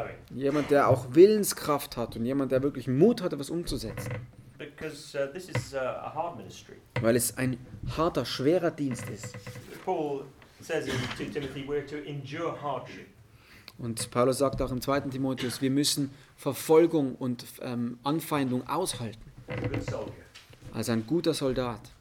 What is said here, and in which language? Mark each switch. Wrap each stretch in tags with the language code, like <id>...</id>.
<de>Jemand, der auch Willenskraft hat und jemand, der wirklich Mut hat, etwas umzusetzen.</de> <en>Because, this is a hard ministry.</en> <de>Weil es ein harter, schwerer Dienst ist.</de> <en>Paul says in 2 Timothy, we're to endure hardship.</en> <de>Und Paulus sagt auch im 2. Timotheus, wir müssen Verfolgung und Anfeindung aushalten. Als ein guter Soldat.</de>